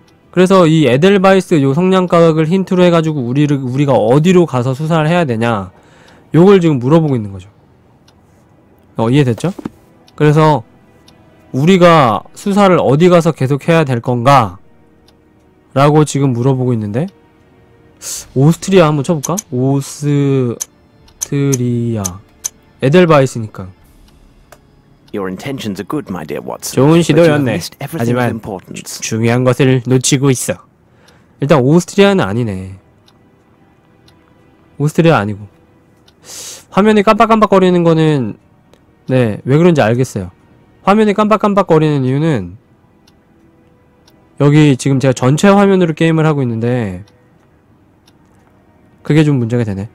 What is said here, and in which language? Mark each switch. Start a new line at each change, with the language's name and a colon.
Korean: 그래서 이 에델바이스 요 성냥깍을 힌트로 해가지고 우리가 어디로 가서 수사를 해야 되냐, 요걸 지금 물어보고 있는 거죠. 이해됐죠? 그래서 우리가 수사를 어디 가서 계속 해야 될 건가? 라고 지금 물어보고 있는데. 오스트리아 한번 쳐볼까? 오스트리아 에델바이스니까.
English: Your intentions are good, my dear Watson.
Korean: 좋은 시도였네. 하지만 중요한 것을 놓치고 있어. 일단 오스트리아는 아니네. 오스트리아 아니고. 화면이 깜빡깜빡거리는 거는 네, 왜 그런지 알겠어요. 화면이 깜빡깜빡거리는 이유는 여기 지금 제가 전체 화면으로 게임을 하고 있는데 그게 좀 문제가 되네.